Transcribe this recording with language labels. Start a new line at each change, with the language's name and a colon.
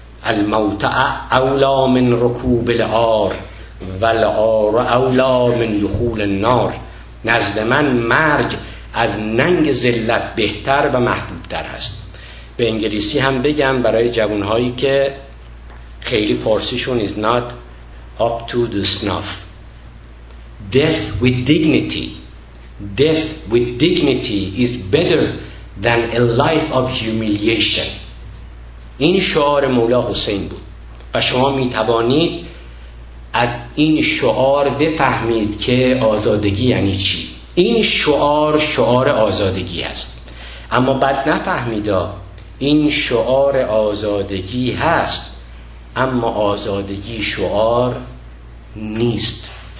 Arabic: الموت اولا من رکوب العار و العار اولا من دخول النار.
Persian: نزد من مرگ از ننگ ذلت بهتر و محبوب تر است. به انگلیسی هم بگم برای جوانهایی که خیلی فارسیشون
English: is not up to the snuff. Death with dignity, death with dignity is better than a life of humiliation.
Persian: این شعار مولا حسین بود و شما میتوانید از این شعار بفهمید که آزادگی یعنی چی. این شعار شعار آزادگی است، اما بد نفهمیدا، این شعار آزادگی هست اما آزادگی شعار نیست.